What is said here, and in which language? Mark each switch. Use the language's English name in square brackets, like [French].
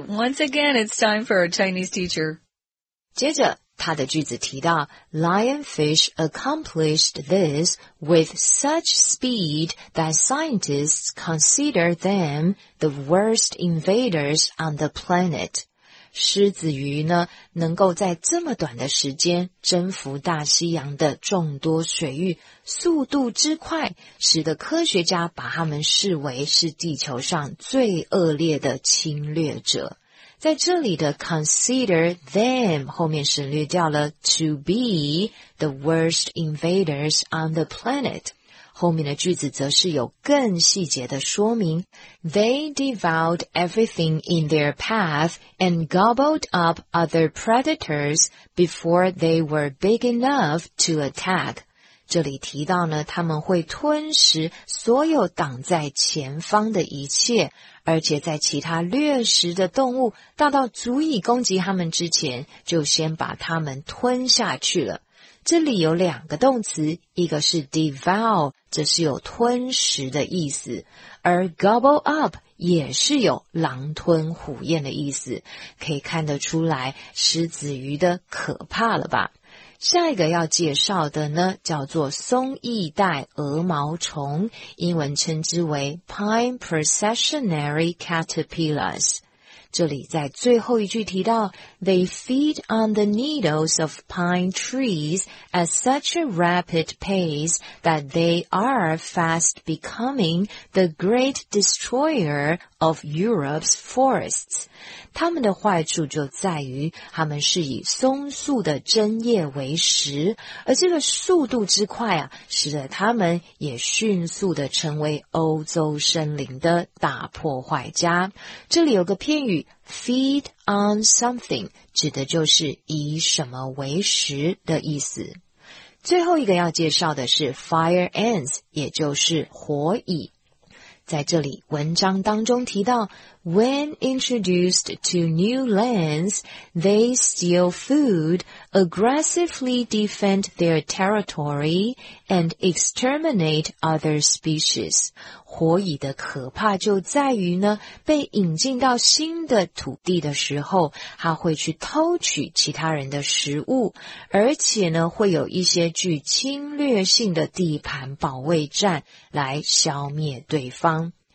[English] Once again, it's time for our Chinese teacher. [Chinese] 接着他的句子提到 [English] Lionfish accomplished this with such speed that scientists consider them the worst invaders on the planet. [Chinese] 狮子鱼呢能够在这么短的时间征服大西洋的众多水域，速度之快使得科学家把它们视为是地球上最恶劣的侵略者。在这里的 [English] consider them [Chinese] 后面省略掉了 [English] to be the worst invaders on the planet。 [Chinese] 后面的句子则是有更细节的说明 [English] They devoured everything in their path and gobbled up other predators before they were big enough to attack. [Chinese] 这里提到呢，他们会吞食所有挡在前方的一切，而且在其他掠食的动物到足以攻击他们之前，就先把他们吞下去了。这里有两个动词，一个是 devour， 这是有吞食的意思，而 gobble up 也是有狼吞虎咽的意思，可以看得出来狮子鱼的可怕了吧。下一个要介绍的呢，叫做松翼带鹅毛虫，英文称之为 pine processionary caterpillars。这里在最后一句提到 [English] They feed on the needles of pine trees at such a rapid pace that they are fast becoming the great destroyer of Europe's forests. [Chinese] 它们的坏处就在于它们是以松树的针叶为食，而这个速度之快啊，使得它们也迅速的成为欧洲森林的大破坏家。这里有个片语 [English] Feed on something [Chinese] 指的就是以什么为食的意思。最后一个要介绍的是 fire ants， 也就是火蚁。在这里文章当中提到 [English] When introduced to new lands, they steal food, aggressively defend their territory, and exterminate other species. [Chinese] 火蚁的可怕就在于呢，被引进到新的土地的时候，它会去偷取其他人的食物，而且呢，会有一些具侵略性的地盘保卫战来消灭对方。